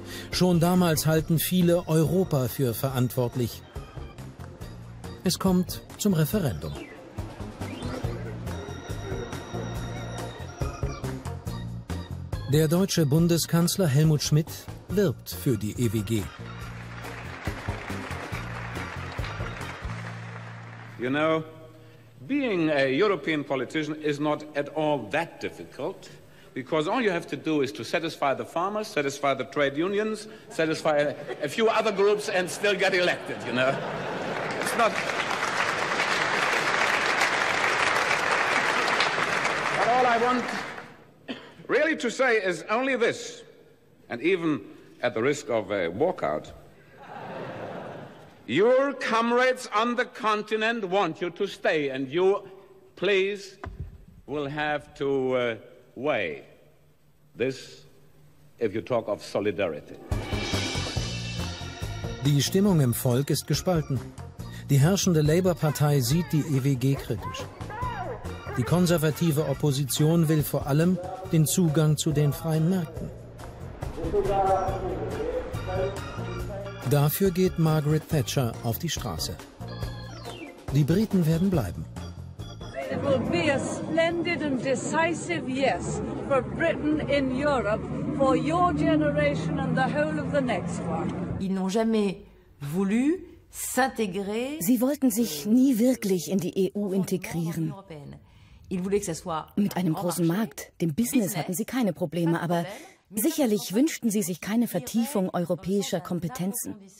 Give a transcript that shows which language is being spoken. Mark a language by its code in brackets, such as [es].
[de] Schon damals halten viele Europa für verantwortlich. Es kommt zum Referendum. Der deutsche Bundeskanzler Helmut Schmidt wirbt für die EWG. [en] You know, being a European politician is not at all that difficult, because all you have to do is to satisfy the farmers, satisfy the trade unions, satisfy a few other groups and still get elected, you know. But all I want really to say is only this, and even at the risk of a walkout, your comrades on the continent want you to stay, and you, please, will have to weigh this if you talk of solidarity. [de] Die Stimmung im Volk ist gespalten. Die herrschende Labour-Partei sieht die EWG kritisch. Die konservative Opposition will vor allem den Zugang zu den freien Märkten. Dafür geht Margaret Thatcher auf die Straße. Die Briten werden bleiben. [en] It will be a splendid and decisive yes for Britain in Europe, for your generation and the whole of the next one. [fr] Ils n'ont jamais voulu s'intégrer. [de] Sie wollten sich nie wirklich in die EU integrieren. Mit einem großen Markt, dem Business, hatten sie keine Probleme, aber sicherlich wünschten sie sich keine Vertiefung europäischer Kompetenzen.